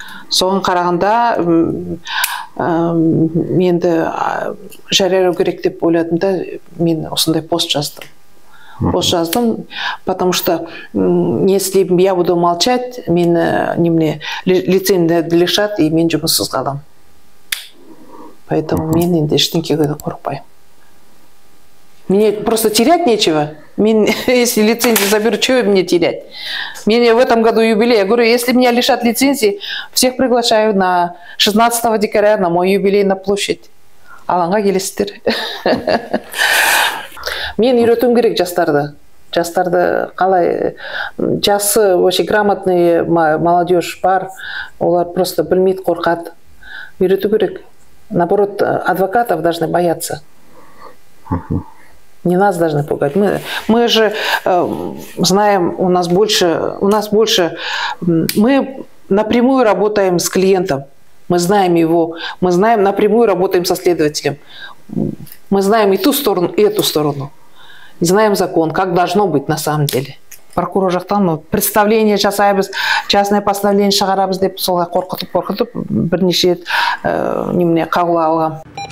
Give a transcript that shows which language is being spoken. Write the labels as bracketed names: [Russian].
[Kazakh] Соған қарағанда енді жариялау керек деп ойладым да, мен осындай пост жаздым. бос жаздым, [Russian] потому что если я буду молчать, [Kazakh] мені немне [Russian] лицензия лишат и [Kazakh] мен жұмыссыз қалам. [Russian] Поэтому [Kazakh] мен енді ештеңеге қорықпаймын. [Russian] Мне просто терять нечего. [Kazakh] Мен, [Russian] если лицензию заберу, чего мне терять? Мне в этом году юбилей. Я говорю, если меня лишат лицензии, всех приглашаю на 16 декабря на мой юбилей на площадь. [Kazakh] Алаңға келесіздер. Мен үйретуім керек жастарды. Жастарды қалай, жасы, [Russian] вообще грамотный молодежь [Kazakh] бар, олар [Russian] просто [Kazakh] білмейді, қорқады. Үйрету керек. [Russian] Наоборот, адвокатов должны бояться. Не нас должны пугать. Мы же знаем, у нас больше, мы напрямую работаем с клиентом. Мы знаем его, мы знаем, напрямую работаем со следователем. Мы знаем и ту сторону, и эту сторону. И знаем закон, как должно быть на самом деле. [Kazakh] Прокурор жақтан представление жасаймыз, [Russian] частное постановление [Kazakh] шығарамыз деп, солай қорқытып-қорқытып, бірнеше немене қаулы алғам.